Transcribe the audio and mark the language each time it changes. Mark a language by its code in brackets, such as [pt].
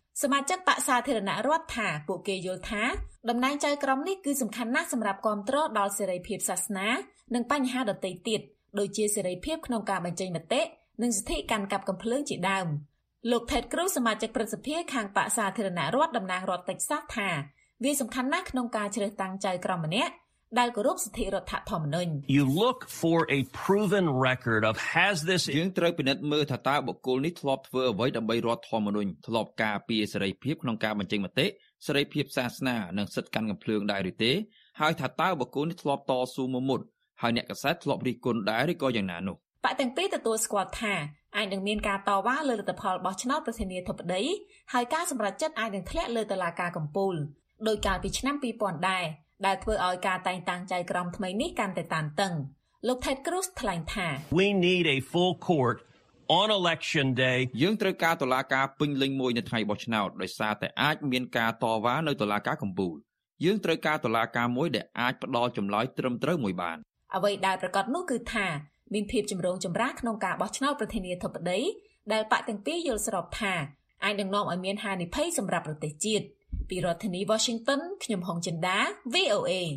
[km] សមាជិកបកសាធារណរដ្ឋថាពួកគេយល់ថាតំណែងចៅក្រមនេះគឺសំខាន់ណាស់សម្រាប់គ្រប់គ្រងដល់សេរីភាពសាសនានិងបញ្ហាដទៃទៀតដូចជាសេរីភាពក្នុងការបញ្ចេញមតិនិងសិទ្ធិកាន់កាប់កំភ្លើងជាដើមលោក Ted Cruz សមាជិកព្រឹទ្ធសភាខាងបកសាធារណរដ្ឋតំណាងរដ្ឋ Texas ថាវាសំខាន់ណាស់ក្នុងការជ្រើសតាំងចៅក្រមម្នាក់ដែលគោរពសិទ្ធិរដ្ឋធម្មនុញ្ញ [en] You look for a proven record of has this [km] យើងត្រូវពិនិត្យមើលថាតើបុគ្គលនេះធ្លាប់ធ្វើអ្វីដើម្បីរដ្ឋធម្មនុញ្ញធ្លាប់ការពារសេរីភាពក្នុងការបញ្ចេញមតិសេរីភាពសាសនានិងសិទ្ធិកាន់កំភ្លើងដែរឬទេហើយថាតើបុគ្គលនេះធ្លាប់តស៊ូមុមមុត ហើយអ្នកកសែតធ្លាប់រិះគន់ដែរឬក៏យ៉ាងណានោះ បាក់ទាំងពីរទទួលស្គាល់ថាអាចនឹងមានការតវ៉ាលើលទ្ធផលរបស់ឆ្នោតប្រធានាធិបតីហើយការសម្រេចចិត្តអាចនឹងធ្លាក់លើតុលាការកំពូលដោយកាលពីឆ្នាំ2000ដែរដែលធ្វើឲ្យការតែងតាំងចៅក្រមថ្មីនេះកាន់តែតានតឹងលោក Ted Cruz ថ្លែងថា [en] We need a full court on election day [km] យើងត្រូវការតុលាការពេញលេញមួយនៅថ្ងៃបោះឆ្នោតដោយសារតែអាចមានការតវ៉ានៅតុលាការកំពូលយើងត្រូវការតុលាការមួយដែលអាចផ្ដល់ចម្លើយត្រឹមត្រូវមួយបាន អ្វីដែលប្រកាសនោះគឺថាមានភាពចម្រូងចម្រាសក្នុងការបោះឆ្នោតប្រធានាធិបតីដែលបាក់ទាំងពីរយល់ស្របថាអាចនឹងនាំឲ្យមានហានិភ័យសម្រាប់ប្រទេសជាតិពីរដ្ឋធានី Washington ខ្ញុំហងចិន្តា VOA